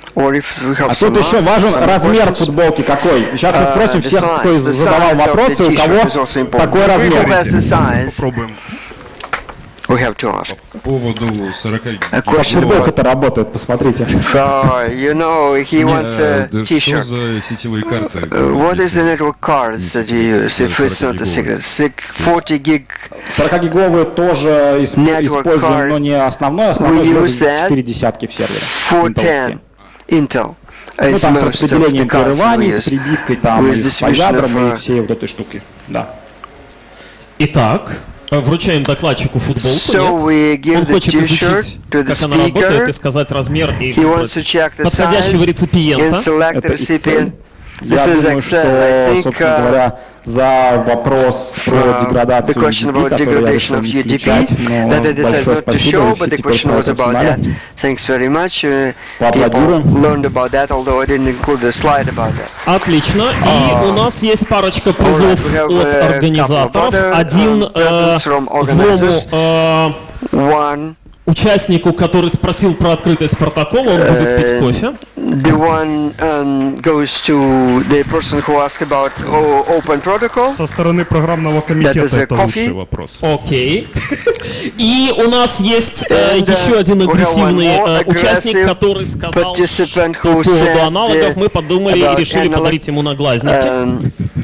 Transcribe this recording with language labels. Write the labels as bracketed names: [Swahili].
[Russian] А тут еще важен размер футболки какой. Сейчас мы спросим всех, кто задавал вопросы, у кого такой размер. Попробуем. [English] We have to ask. [Russian] По поводу 40 гигабайт. Футболка-то работает, посмотрите. [English] You know, he wants a t-shirt. [Russian] Что за сетевые карты? [English] What is the network cards that you use, if it's not a secret? [Russian] 40 гиг. 40-гиговые тоже используем, но не основной. Основной же 4 десятки в сервере. Intel. Ну, там с распределением прерываний, с прибивкой, там, и с фазадром, и всей вот этой штуки. Да. Итак, вручаем докладчику футболку, so он хочет изучить, как она работает, и сказать размер и подходящего реципиента. Это Excel. Я думаю, что, собственно говоря, за вопрос про деградацию UDP, который я решил не включать, но большое спасибо, все типы профессионали. Поаплодируем. Отлично. И у нас есть парочка призов от организаторов. Один злому участнику, который спросил про открытость протокола, он будет пить кофе. [English] The one goes to the person who asked about open protocol. [Russian] Со стороны программного комитета это лучший вопрос. Окей. И у нас есть еще один агрессивный участник, который сказал, что по поводу аналогов мы подумали и решили подарить ему наглазники.